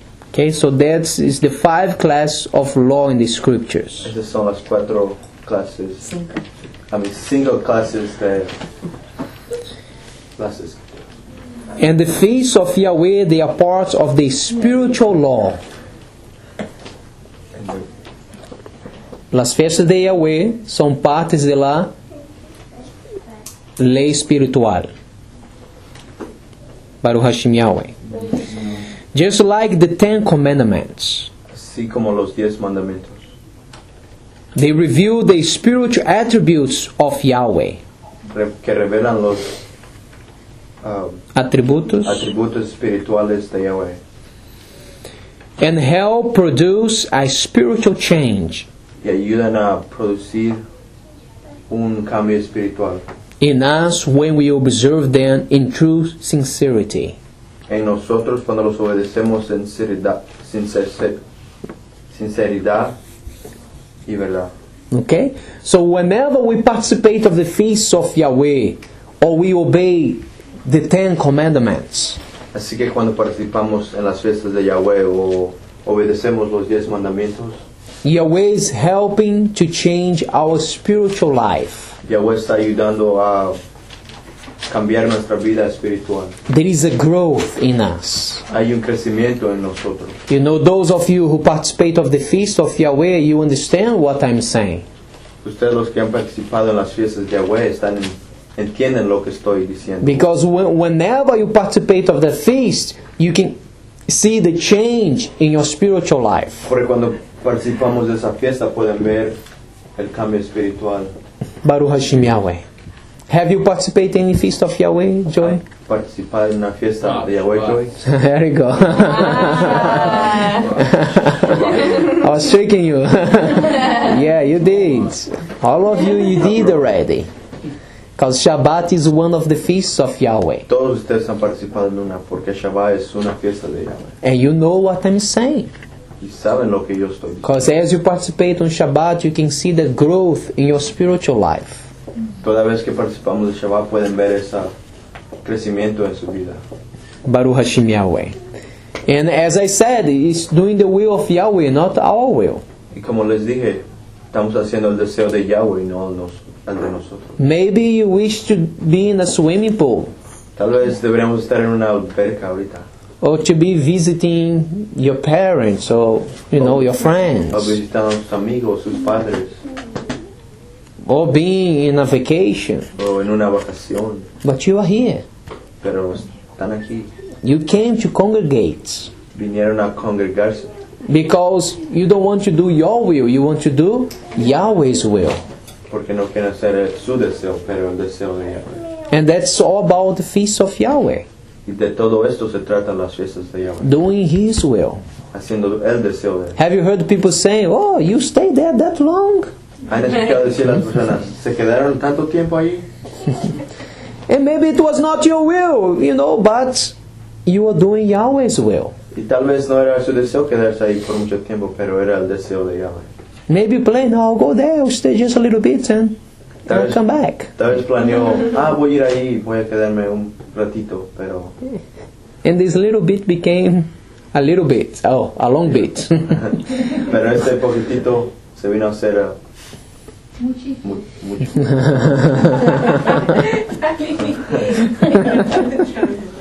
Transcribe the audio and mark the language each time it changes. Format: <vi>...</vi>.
<en>Okay, so that is the five classes of law in the scriptures.</en> <es>Esas son las cuatro clases.</es> <en>Single classes</en> <es>de classes.</es> <en>And the feasts of Yahweh, they are part of the spiritual law.</en> <es>Las fiestas de Yahweh son partes de la ley espiritual.</es> <he>Baruch Hashem Yahweh.</he> <en>Just like the Ten Commandments.</en> <es>Así como los diez mandamientos.</es> <en>They reveal the spiritual attributes of Yahweh.</en> <es>Que revelan los atributos espirituales de Yahweh.</es> <en>And help produce a spiritual change.</en> <es>Y ayudan a producir un cambio espiritual.</es> <en>In us when we observe them in true sincerity.</en> <es>en nosotros cuando los obedecemos en sinceridad y verdad.</es> <en>Okay, so whenever we participate of the feast of Yahweh, or we obey the Ten Commandments.</en> <es>Así que cuando participamos en las fiestas de Yahweh o obedecemos los diez mandamientos,</es> <en>Yahweh is helping to change our spiritual life.</en> <es>Yahweh está ayudando a cambiar nuestra vida espiritual.</es> <en>There is a growth in us.</en> <es>Hay un crecimiento en nosotros.</es> <en>You know, those of you who participate of the feast of Yahweh, you understand what I'm saying.</en> <es>Ustedes los que han participado en las fiestas de Yahweh están entienden lo que estoy diciendo.</es> <en>Because whenever you participate of the feast, you can see the change in your spiritual life.</en> <es>Porque cuando participamos de esa fiesta pueden ver el cambio espiritual.</es> <he>Baruch Hashem Yahweh.</he> <en>Have you participated in the feast of Yahweh, Joy?</en> <es>Participar en la fiesta de Yahweh, Joy?</es> <en>There you go. I was tricking you. Yeah, you did. All of you, you did already. Because Shabbat is one of the feasts of Yahweh.</en> <es>Todos ustedes han participado en una, porque Shabbat es una fiesta de Yahweh.</es> <en>And you know what I'm saying.</en> <es>Y saben lo que yo estoy diciendo.</es> <en>Because as you participate on Shabbat, you can see the growth in your spiritual life.</en> <es>Toda vez que participamos de Shabbat pueden ver ese crecimiento en su vida.</es> <he>Baruch Hashem Yahweh.</he> <en>And as I said, it's doing the will of Yahweh, not our will.</en> <es>Y como les dije, estamos haciendo el deseo de Yahweh, no el de nosotros.</es> <en>Maybe you wish to be in a swimming pool.</en> <es>Tal vez deberíamos estar en una alberca ahorita.</es> <en>Or to be visiting your parents or, you know, your friends.</en> <es>O visitar a sus amigos, sus padres.</es> <en>Or being in a vacation.</en> <es>Oh, en una vacación.</es> <en>But you are here.</en> <es>Pero están aquí.</es> <en>You came to congregate.</en> <es>Vinieron a congregarse.</es> <en>Because you don't want to do your will, you want to do Yahweh's will.</en> <es>Porque no quieren hacer su deseo, pero el deseo de Yahweh.</es> <en>And that's all about the feast of Yahweh.</en> <es>Y de todo esto se trata las fiestas de Yahweh.</es> <en>Doing His will.</en> <es>Haciendo el deseo de él.</es> <en>Have you heard people saying, oh, you stay there that long?</en> <es>¿Han escuchado decir las personas, se quedaron tanto tiempo ahí?</es> <en>And maybe it was not your will, you know, but you are doing Yahweh's will.</en> <es>Y tal vez no era su deseo quedarse ahí por mucho tiempo, pero era el deseo de Yahweh.</es> <en>Maybe plan, I'll go there, I'll stay just a little bit and tal I'll come back.</en> <es>Tal vez planeó, ah, voy a ir ahí, voy a quedarme un ratito, pero...</es> <en>And this little bit became a little bit, oh, a long bit.</en> <es>Pero ese poquitito se vino a hacer... Mucho.</es>